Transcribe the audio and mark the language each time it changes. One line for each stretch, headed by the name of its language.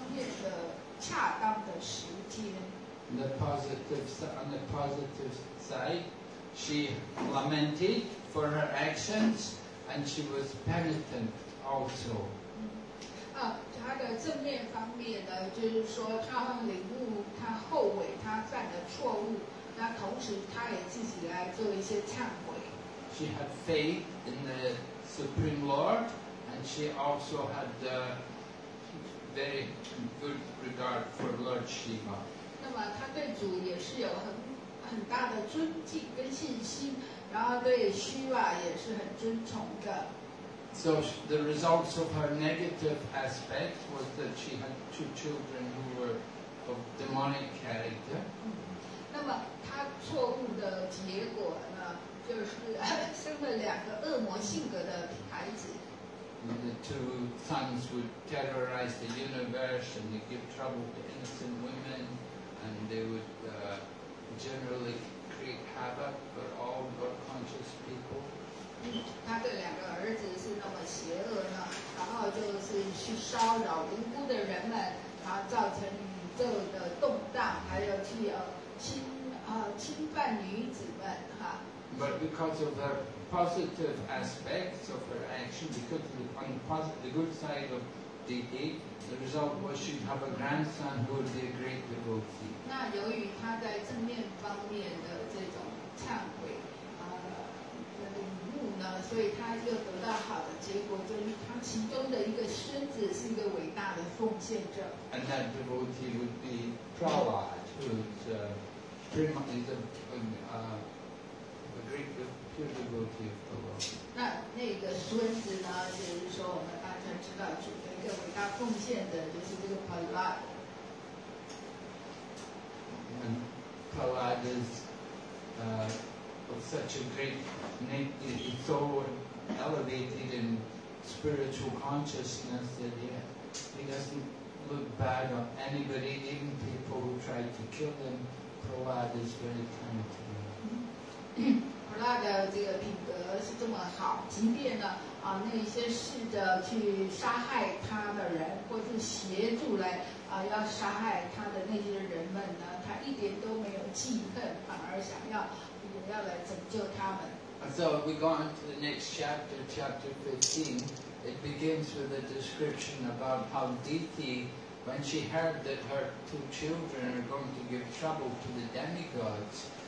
Chinese: 然后呢，就是说呢，她这样对半神不尊敬，然后去忽略了行为方面的恰当的时间。
English: On the positive side, she lamented for her actions and she was penitent also.
Chinese: 他的正面方面呢，就是说他领悟他后悔他犯的错误，那同时他也自己来做一些忏悔。
English: She had faith in the Supreme Lord, and she also had very good regard for Lord Shiva.
Chinese: 那么他对主也是有很大的尊敬跟信心，然后对Shiva也是很尊崇的。
English: So the results of her negative aspect was that she had two children who were of demonic character.
Chinese: 那么他错误的结果呢，就是生了两个恶魔性格的孩子。
English: And the two sons would terrorize the universe, and they give trouble to innocent women, and they would generally create havoc for all God-conscious people.
Chinese: 他的两个儿子是那么邪恶呢，然后就是去骚扰无辜的人们，然后造成宇宙的动荡，还有去侵犯女子们哈。
English: But because of her positive aspects of her action, because of the good side of Diti, the result was she'd have a grandson who would be a great devotee.
Chinese: 那由于她在正面方面的这种忏悔的礼物呢，所以她又得到好的结果，就是她其中的一个孙子是一个伟大的奉献者。
English: And that devotee would be Prahlad, who's a great pure devotee of the Lord.
Chinese: 那个孙子呢，就是说我们大家知道主的一个伟大奉献的，就是这个 Prahlad。
English: And Prahlad is of such a great name, he's so elevated in spiritual consciousness that he doesn't look bad on anybody, even people who try to kill him. Prahlad is very kind to him.
Chinese: 他的这个品格是这么好，即便呢那些试着去杀害他的人，或是协助来要杀害他的那些人们呢，他一点都没有记恨，反而想要也要来拯救他们。
English: So we go on to the next chapter, chapter 15. It begins with a description about how Diti, when she heard that her two children are going to give trouble to the demigods.